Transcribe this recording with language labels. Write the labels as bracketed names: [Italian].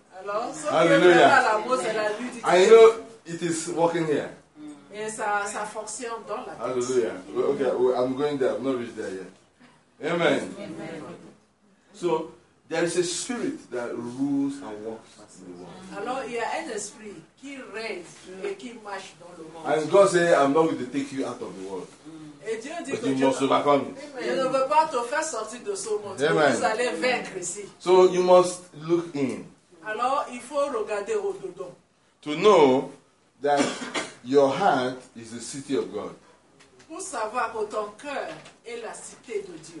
[French] Alors ce qui est vraiment à la mode c'est la nudité. [English] I know it is working here. [French] Et ça fonctionne dans la tête. Hallelujah. [English] Okay, I'm going there. I'm not reached there yet. Amen. Amen. So there is a spirit that rules and walks in the world. [French] Alors il y a un esprit qui règne et qui marche dans le monde. [English] And God says, "I'm not going to take you out of the world." [French] Et Dieu dit [English] but you must overcome it. [French] Je ne veux pas te faire sortir de ce monde. Vous allez vaincre ici. [English] So you must look in. [French] Alors il faut regarder au-dedans. [English] To know that your heart is the city of God. [French] Pour savoir que ton cœur est la cité de Dieu.